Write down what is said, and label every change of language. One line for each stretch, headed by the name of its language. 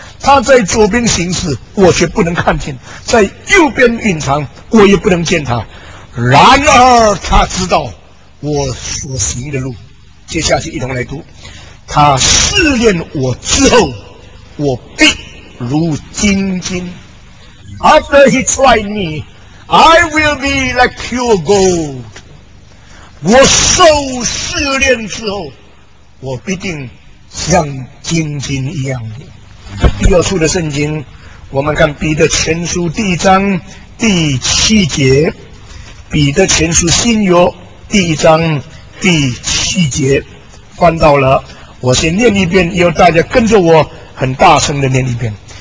Chinese: 他在左边行事，我却不能看见，在右边隐藏，我也不能见他。然而他知道我所行的路。接下去一同来读，他试炼我之后，我必如金金。
English: After he tried me, I will be like pure gold.
Chinese: 我受试炼之后，我必定像金金一样的。第二处的圣经，我们看彼得前书第一章第七节，彼得前书新约第一章第七节，翻到了，我先念一遍，以后大家跟着我很大声的念一遍。